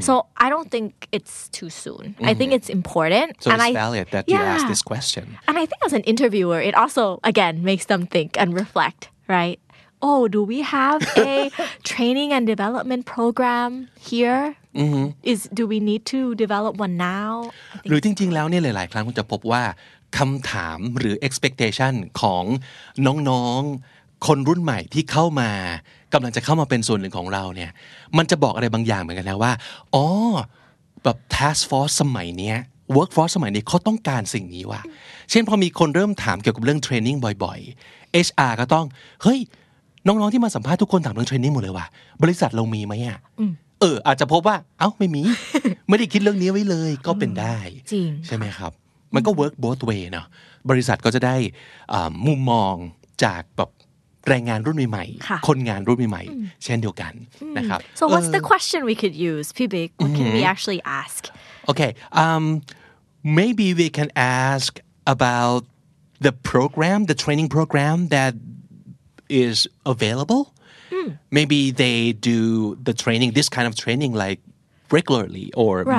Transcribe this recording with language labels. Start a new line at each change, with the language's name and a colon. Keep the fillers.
English: So I don't think it's too soon. Mm-hmm. I think it's important. So and it's I, valid that yeah. you ask this question. And I think as an interviewer, it also again makes them think and reflect. Right? Oh, do we have a training and development program here? is do we need to develop one
Thai: now หรือจริงๆ แล้วเนี่ยหลายๆ ครั้งคุณจะพบว่าคำถามหรือ expectation ของน้องๆ คนรุ่นใหม่ที่เข้ามากำลังจะเข้ามาเป็นส่วนหนึ่งของเราเนี่ยมันจะบอกอะไรบางอย่างเหมือนกันนะว่าอ๋อ แบบ task force สมัยนี้ workforce สมัยนี้เขาต้องการสิ่งนี้ว่ะเช่น พอมีคนเริ่มถามเกี่ยวกับเรื่องเทรนนิ่งบ่อยๆ HR ก็ต้องเฮ้ยน้องๆที่มาสัมภาษณ์ทุกคนถามเรื่องเทรนนิ่งหมดเลยว่ะบริษัทเรามีไหมอ่ะเอออาจจะพบว่าเอ้าไม่มีไม่ได้คิดเรื่องนี้ไว้เลยก็เป็นได้จริงใช่ไหมครับมันก็
English: work both way
Thai: เนาะบริษัทก็จะได้มุมมองจากแบบแรงงานรุ่นใหม่คนงานรุ่นใหม่เช่นเดียวกัน นะครับ
English: so what's the question we could use พี่บิ๊ก what can we actually ask okay um, maybe we can ask about the program the training program that is available Mm. maybe they do the training this kind of training like regularly or right.